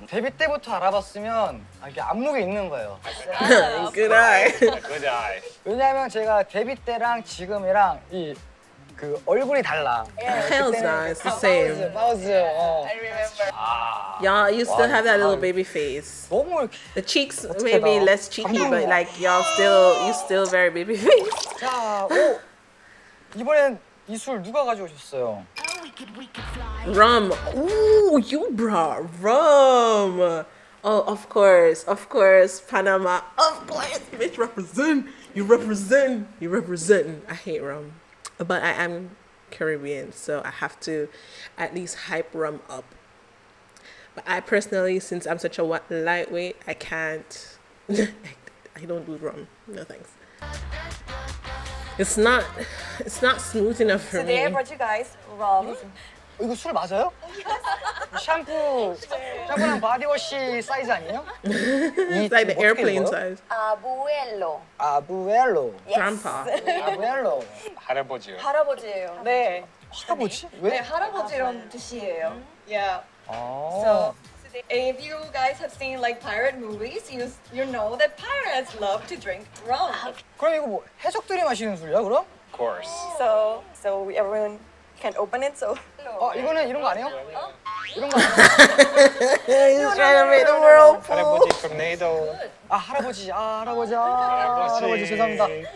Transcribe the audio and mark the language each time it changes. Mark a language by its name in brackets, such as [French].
[Korean] 데뷔 때부터 알아봤으면. 이게 안목에 있는 거예요. [English] Good eye. Good eye. [Korean] 왜냐하면 제가 데뷔 때랑 지금이랑 이 그 얼굴이 달라. [English] Hell's not. It's the same. That was I remember. Y'all used to have that little baby face. [Korean] 너무 [English] The cheeks maybe less cheeky, but like y'all still you still very baby face. [Korean] 자, 오 이번엔 이 술 누가 가져오셨어요? [English] Rum. Ooh, you brought rum. Oh, of course, Panama. Of course, bitch, represent. I hate rum, but I am Caribbean, so I have to at least hype rum up. But I personally, since I'm such a lightweight, I can't. I don't do rum. No thanks. It's not smooth enough for Today Today I brought you guys rum. [Korean] 이거 술 맞아요? 샴푸, 샴푸랑 바디워시 사이즈 아니에요? [English] It's like the airplane size. [Spanish] Abuelo. Abuelo. [English] Yes. Grandpa. [Spanish] Abuelo. [Korean] 할아버지요. 할아버지예요. 네. 할아버지? 왜? 네, 할아버지란 뜻이에요. [English] Yeah. If you guys have seen like pirate movies, you know that pirates love to drink rum. [Korean] 그럼 이거 뭐 해적들이 마시는 술이야, 그럼? [English] Of course. So everyone can open it, so. [Korean] 이거는 이런 거 아니에요? 어? 이런 거 아니에요? [English] He's trying to make the world pool. [Korean] 할아버지 토네이도. 아, 할아버지. 아, 할아버지. 아, 할아버지 죄송합니다.